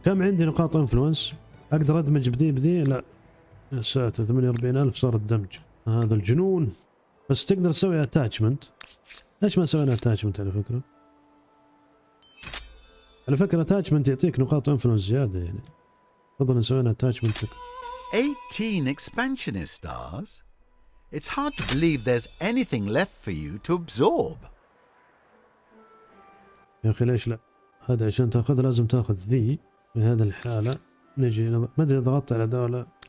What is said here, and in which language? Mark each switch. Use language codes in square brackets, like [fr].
[ar] كم عندي نقاط انفلونس؟ اقدر ادمج بذي بذي؟ لا. يا ساتر 48000 صار الدمج. هذا الجنون. بس تقدر تسوي اتاتشمنت. ليش ما سوينا اتاتشمنت على فكرة؟ على فكرة اتاتشمنت يعطيك نقاط انفلونس زيادة يعني. تفضل نسوينا اتاتشمنت. [en] 18 expansionist stars. It's hard to believe there's anything left for you to absorb. [ar] يا اخي ليش لا؟ هذا عشان تاخذ لازم تاخذ ذي في هذه الحالة. نجي ما ادري ضغطت على دولة.